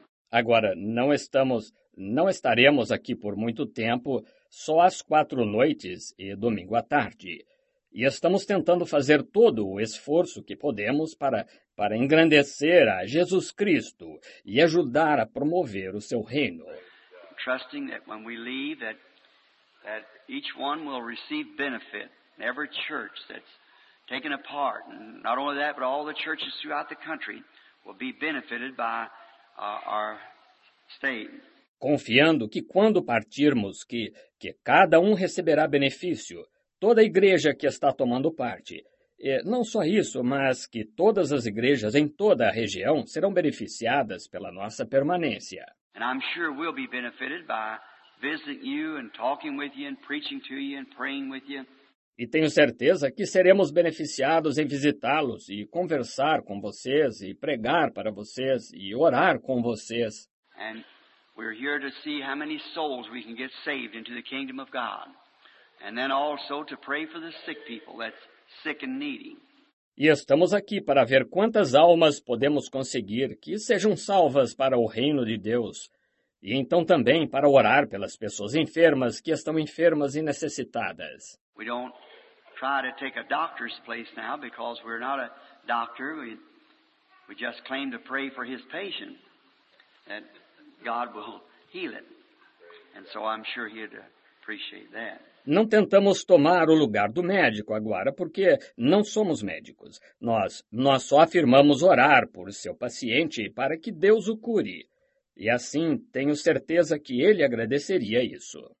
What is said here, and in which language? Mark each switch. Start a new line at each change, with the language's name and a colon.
Portuguese: Agora, não estaremos aqui por muito tempo, só as quatro noites e domingo à tarde. E estamos tentando fazer todo o esforço que podemos para engrandecer a Jesus Cristo e ajudar a promover o seu reino.
English: Trusting that when we leave, that each one will receive benefit. Every church that's taken apart, and not only that, but all the churches throughout the country will be benefited by our state.
Portuguese: Confiando que quando partirmos, que cada um receberá benefício, toda a igreja que está tomando parte. E não só isso, mas que todas as igrejas em toda a região serão beneficiadas pela nossa permanência.
English: And I'm sure we'll be benefited by visiting you and talking with you and preaching to you and praying with you.
Portuguese: E tenho certeza que seremos beneficiados em visitá-los e conversar com vocês e pregar para vocês e orar com vocês.
English: And we're here to see how many souls we can get saved into the kingdom of God. And then also to pray for the sick people that's sick and needy.
Portuguese: E estamos aqui para ver quantas almas podemos conseguir que sejam salvas para o reino de Deus. E então também para orar pelas pessoas enfermas que estão enfermas e necessitadas.
English: We don't try to take a doctor's place now because we're not a doctor. We just claim to pray for his patient. And God will heal it. And so I'm sure he'd appreciate that.
Portuguese: Não tentamos tomar o lugar do médico agora, porque não somos médicos. Nós só afirmamos orar por seu paciente para que Deus o cure. E assim, tenho certeza que ele agradeceria isso.